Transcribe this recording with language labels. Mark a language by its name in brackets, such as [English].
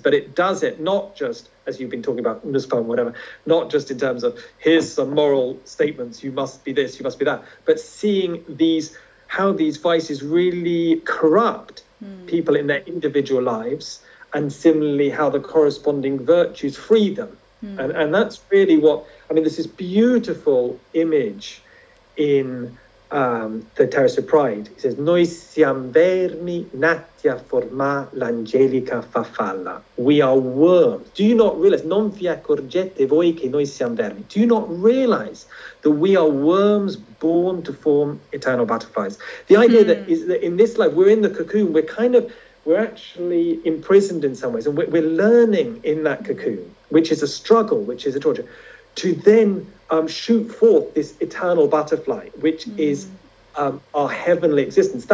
[English] But it does it not just, as you've been talking about, Nussbaum, whatever, not just in terms of here's some moral statements, you must be this, you must be that, but seeing these, how these vices really corrupt people in their individual lives, and similarly how the corresponding virtues free them. And that's really what, I mean, this is beautiful image in the Terrace of Pride. It says, [Italian] Noi siamo vermi, natia forma, l'angelica farfalla. [English] We are worms. Do you not realize, [Italian] non vi accorgete voi che noi siamo vermi. [English] Do you not realize that we are worms born to form eternal butterflies? The idea that is that in this life, we're in the cocoon, we're actually imprisoned in some ways, and we're learning in that cocoon, which is a struggle, which is a torture, to then shoot forth this eternal butterfly, which is our heavenly existence.